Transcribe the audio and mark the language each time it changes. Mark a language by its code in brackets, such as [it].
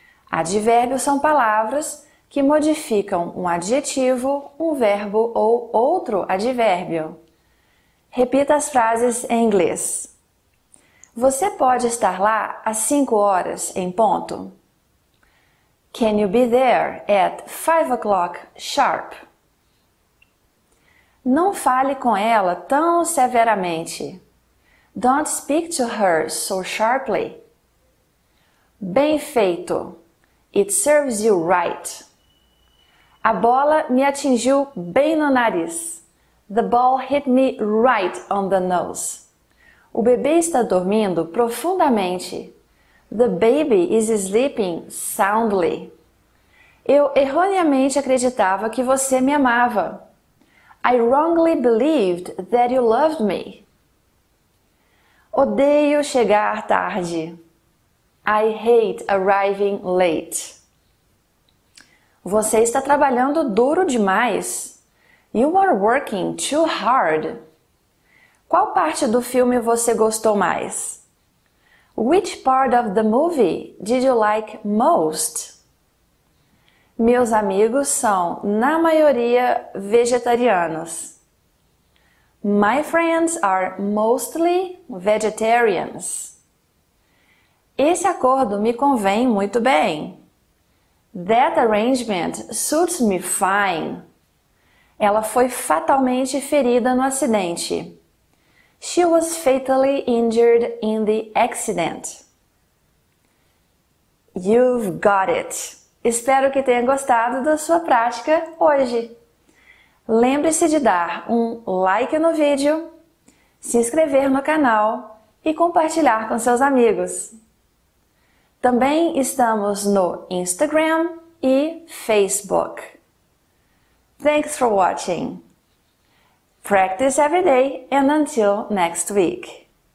[pt] Advérbios são palavras que modificam um adjetivo, um verbo ou outro advérbio. Repita as frases em inglês. Você pode estar lá às 5 horas em ponto? [en] Can you be there at 5 o'clock sharp? [pt] Não fale com ela tão severamente. [en] Don't speak to her so sharply. [pt] Bem feito. [en] It serves you right. [pt] A bola me atingiu bem no nariz. [en] The ball hit me right on the nose. [pt] O bebê está dormindo profundamente. [en] The baby is sleeping soundly. [pt] Eu erroneamente acreditava que você me amava. [en] I wrongly believed that you loved me. [pt] Odeio chegar tarde. [en] I hate arriving late. [pt] Você está trabalhando duro demais. [en] You are working too hard. [pt] Qual parte do filme você gostou mais? [en] Which part of the movie did you like most? [pt] Meus amigos são, na maioria, vegetarianos. [en] My friends are mostly vegetarians. [pt] Esse acordo me convém muito bem. [en] That arrangement suits me fine. [pt] Ela foi fatalmente ferida no acidente. [en] She was fatally injured in the accident. You've got it. [pt] Espero que tenha gostado da sua prática hoje. Lembre-se de dar um like no vídeo, se inscrever no canal e compartilhar com seus amigos. Também estamos no Instagram e Facebook. [en] Thanks for watching. Practice every day and until next week.